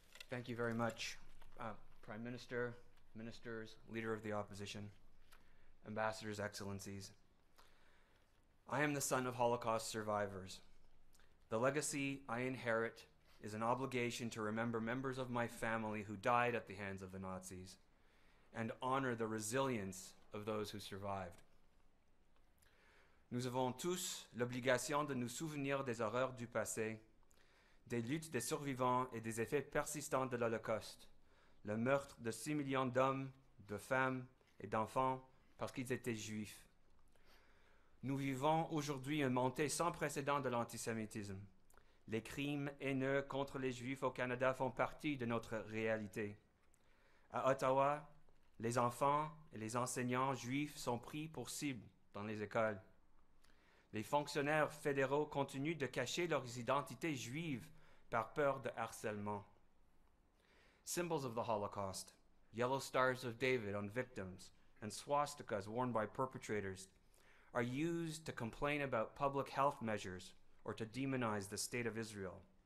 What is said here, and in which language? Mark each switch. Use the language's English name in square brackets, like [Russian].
[English] Thank you very much, Prime Minister, Ministers, Leader of the Opposition, Ambassadors, Excellencies. I am the son of Holocaust survivors. The legacy I inherit is an obligation to remember members of my family who died at the hands of the Nazis and honor the resilience of those who survived. [French] Nous avons tous l'obligation de nous souvenir des horreurs du passé, des luttes des survivants et des effets persistants de l'Holocauste, le meurtre de 6 millions d'hommes, de femmes et d'enfants parce qu'ils étaient juifs. Nous vivons aujourd'hui une montée sans précédent de l'antisémitisme. Les crimes haineux contre les Juifs au Canada font partie de notre réalité. À Ottawa, les enfants et les enseignants juifs sont pris pour cible dans les écoles. Les fonctionnaires fédéraux continuent de cacher leurs identités juives par peur de harcèlement. [English] Symbols of the Holocaust, yellow stars of David on victims, and swastikas worn by perpetrators are used to complain about public health measures or to demonize the State of Israel.